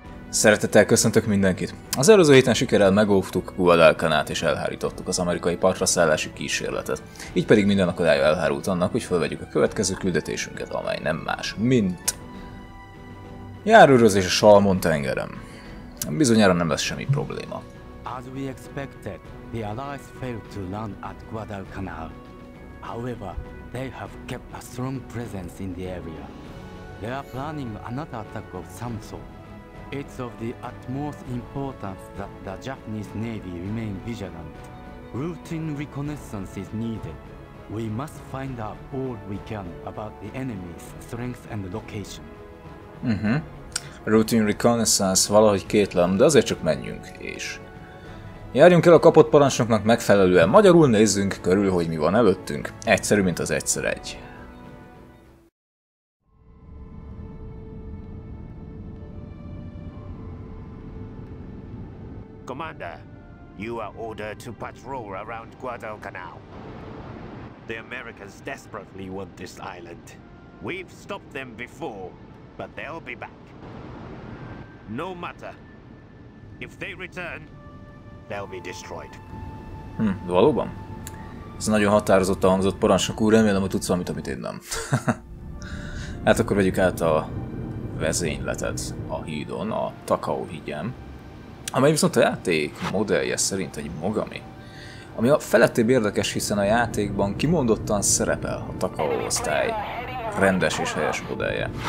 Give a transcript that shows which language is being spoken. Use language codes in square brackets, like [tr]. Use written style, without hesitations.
[hu] Szeretettel köszöntök mindenkit! Az előző héten sikerrel megóvtuk Guadalcanalt és elhárítottuk az amerikai partra szállási kísérletet. Így pedig minden akadálya elhárult annak, hogy felvegyük a következő küldetésünket, amely nem más, mint... járőrözés a Salmon tengeren. Bizonyára nem lesz semmi probléma. [en] As we expected, the Allies failed to land at Guadalcanal. However, they have kept a strong presence in the area. They are planning another attack of some sort. It's of the utmost importance that the Japanese Navy remain vigilant. Routine reconnaissance is needed. We must find out all we can about the enemy's strength and location. Routine reconnaissance, [hu] valahogy kétlem, de azért csak menjünk, és... járjunk el a kapott parancsnoknak megfelelően, magyarul nézzünk körül, hogy mi van előttünk. Egyszerű, mint az egyszer egy. [en] Commander, you are ordered to patrol around Guadalcanal. The Americans desperately want this island. We've stopped them before, but they'll be back. No matter. If they return, they'll be destroyed. [hu] Valóban? Ez nagyon határozottan hangzott, parancsnok úr, remélem, hogy tudsz valamit, amit én nem. Hát akkor vegyük át a vezényletet a hídon, a Takao hídjén. Amely viszont a játék modellje szerint egy Mogami. Ami a felettébb érdekes, hiszen a játékban kimondottan szerepel a Takao osztály rendes és helyes modellje.